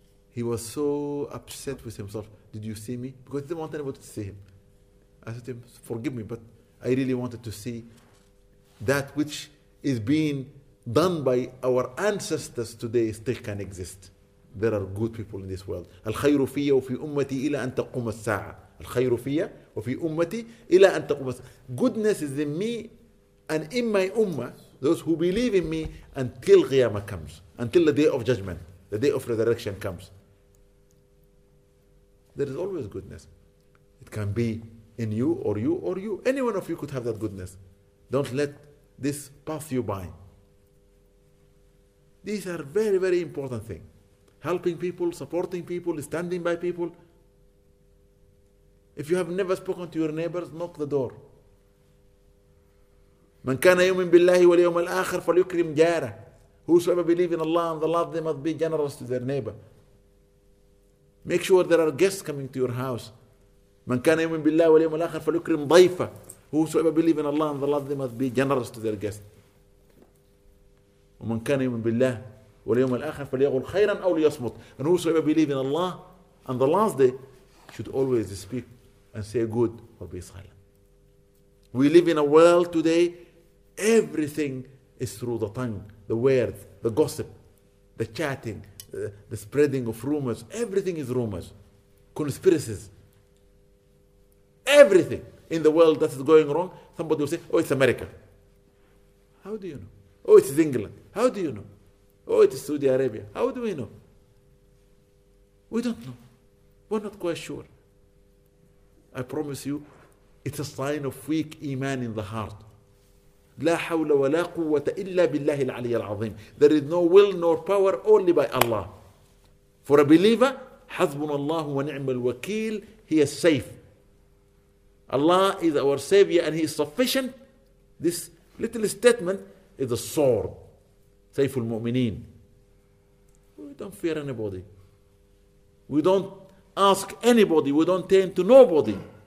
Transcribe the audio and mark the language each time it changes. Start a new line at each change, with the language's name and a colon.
English: He was so upset with himself. Did you see me? Because he didn't want anybody to see him. I said to him, forgive me, but I really wanted to see that which is being done by our ancestors today still can exist. There are good people in this world.
Arabic: الخير فيا وفي أمتي إلى أن تقوم الساعة. الخير فيا وفي أمتي إلى أن تقوم الساعة.
English: Goodness is in me and in my ummah, those who believe in me, until Qiyamah comes, until the day of judgment, the day of resurrection comes. There is always goodness. It can be in you or you or you. Any one of you could have that goodness. Don't let this pass you by. These are very, very important things. Helping people, supporting people, standing by people. If you have never spoken to your neighbors, knock the door.
Arabic: من كان يؤمن بالله واليوم الآخر فليكرم جاره.
English: Whosoever believes in Allah and the Lord, they must be generous to their neighbor. Make sure there are guests coming to your house.
Arabic: من كان يؤمن بالله واليوم الآخر فليكرم ضيفه.
English: Whosoever believes in Allah and the Lord, they must be generous to their guests.
Arabic: ومن كان يؤمن بالله واليوم الآخر فليقل خيرا أو ليصمت.
English: And whosoever believes in Allah and the last day should always speak and say good or be silent. We live in a world today, everything is through the tongue, the words, the gossip, the chatting, the spreading of rumors. Everything is rumors, conspiracies. Everything in the world that is going wrong, somebody will say, oh, it's America. How do you know? Oh, it's England. How do you know? Oh, it's Saudi Arabia. How do we know? We don't know. We're not quite sure. I promise you, it's a sign of weak iman in the heart.
Arabic: لا حول ولا قوة إلا بالله العلي العظيم.
English: There is no will nor power only by Allah. For a believer,
Arabic: حسبنا الله ونعم الوكيل.
English: He is safe. Allah is our savior and he is sufficient. This little statement is a sword.
Arabic: سيف المؤمنين.
English: We don't fear anybody. We don't ask anybody. We don't turn to nobody.